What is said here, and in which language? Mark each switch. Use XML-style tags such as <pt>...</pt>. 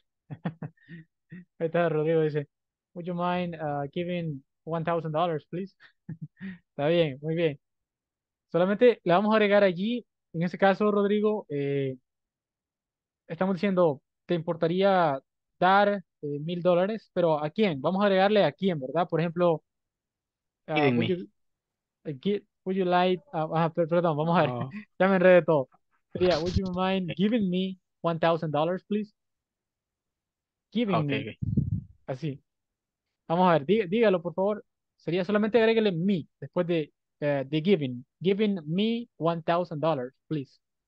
<es>Ahí está Rodrigo, dice,</es> <en>would you mind giving $1,000, please?</en> <es>Está bien, muy bien. Solamente le vamos a agregar allí, en este caso, Rodrigo, estamos diciendo, ¿te importaría dar $1,000? Pero ¿a quién? Vamos a agregarle a quién, ¿verdad? Por ejemplo, perdón, vamos a ver, ya me enredé todo. Sería,</es> <en>yeah, would you mind giving me $1,000, please? Giving me.</en> <es>Así. Vamos a ver, dígalo por favor. Sería solamente agréguele me después de</es> <en>the giving. Giving me $1,000, please.</en>